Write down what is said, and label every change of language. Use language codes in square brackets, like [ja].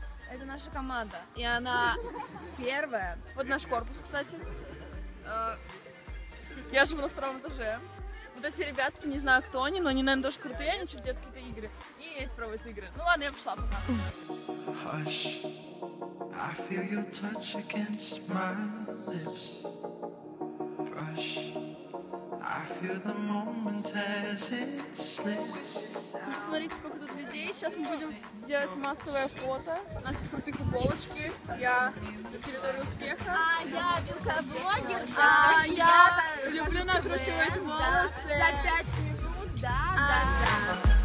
[ru] Это наша команда, и она первая. Вот наш корпус, кстати. Я живу на втором этаже. Вот эти ребятки, не знаю, кто они, но они, наверное, тоже крутые, они что-то делают какие-то игры. И эти проводят игры. Ну ладно, я пошла, пока. [en] Hush, I feel your touch against my lips. Rush, I feel the moment as it slips. [ru] Смотрите, сколько тут людей. Сейчас мы будем делать массовое фото. У нас есть крутые футболочки. Я на территории успеха. Я белка-блогер. Я люблю накручивать волосы. За 5 минут, да.